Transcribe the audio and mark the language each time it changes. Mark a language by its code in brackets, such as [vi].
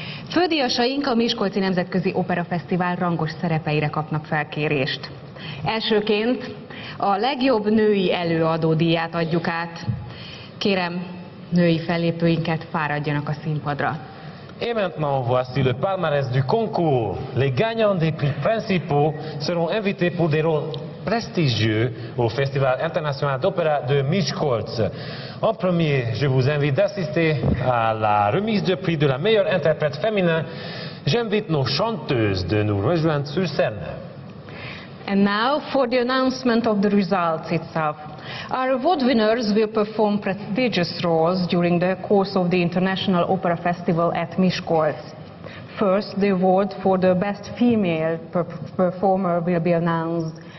[hu] Fődíjasaink a Miskolci Nemzetközi Opera Fesztivál rangos szerepeire kapnak felkérést. Elsőként a legjobb női előadó díját adjuk át. Kérem, női fellépőinket fáradjanak a színpadra. [fr] Et maintenant, voici le palmarès du concours. Les gagnants des prix principaux seront invités pour des rôles prestigieux au Festival International d'Opéra de Miskolc. En premier, je vous invite d'assister à la remise de prix de la meilleure interprète féminine. J'invite nos chanteuses de nous rejoindre sur scène. [en] And now for the announcement of the results itself. Our award winners will perform prestigious roles during the course of the International Opera Festival at Miskolc. First, the award for the best female performer will be announced.